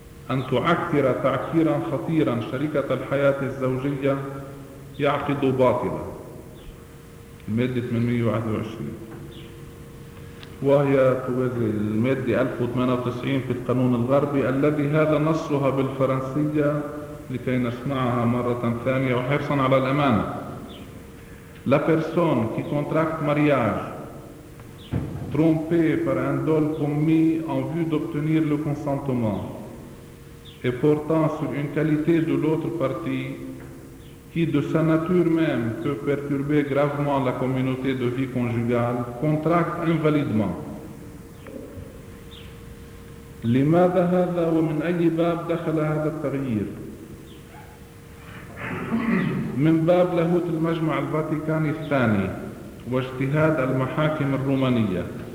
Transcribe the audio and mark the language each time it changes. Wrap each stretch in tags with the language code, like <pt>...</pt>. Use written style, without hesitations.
<ar>أن تعكر تعكيرا خطيرا شركة الحياة الزوجية يعقد باطلا، المادة 821، وهي توازي المادة 1098 في القانون الغربي الذي هذا نصها بالفرنسية لكي نسمعها مرة ثانية وحرصا على الأمانة.</ar> <fr>La personne qui contracte mariage trompée par un dol commis en vue d'obtenir le consentement et portant sur une qualité de l'autre partie qui de sa nature même peut perturber gravement la communauté de vie conjugale contracte invalidement.</fr> <ar>لماذا هذا ومن أي باب دخل هذا التغيير؟ من باب لاهوت المجمع الفاتيكاني الثاني واجتهاد المحاكم الرومانية.</ar>